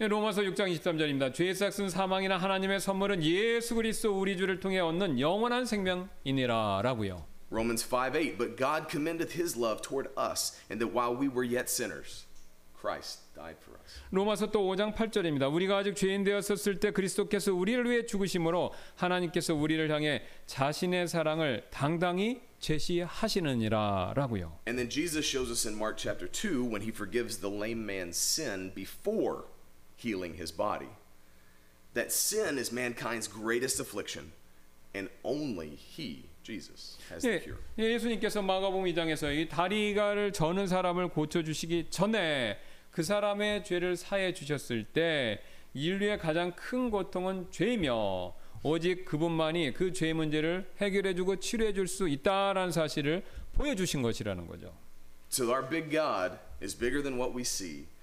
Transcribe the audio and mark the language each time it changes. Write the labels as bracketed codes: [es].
[ko] 예, 로마서 6장 23절입니다. 죄의 삯은 사망이나 하나님의 선물은 예수 그리스도 우리 주를 통해 얻는 영원한 생명이니라라고요. [en] Romans 5:8 But God commendeth his love toward us and that while we were yet sinners Christ died for us. [ko] 로마서 또 5장 8절입니다. 우리가 아직 죄인 되었었을 때 그리스도께서 우리를 위해 죽으심으로 하나님께서 우리를 향해 자신의 사랑을 당당히 제시하시느니라라고요. [en] And then Jesus shows us in Mark chapter 2 when he forgives the lame man's sin before healing his body. That sin is mankind's greatest affliction and only he Jesus has the cure. [ko] 예수님께서 마가복음 2장에서 이 다리가를 저는 사람을 고쳐 주시기 전에 그 사람의 죄를 사해 주셨을 때 인류의 가장 큰 고통은 죄이며 오직 그분만이 그 죄의 문제를 해결해 주고 치료해 줄 수 있다라는 사실을 보여 주신 것이라는 거죠. [en] So our big God is bigger than what we see.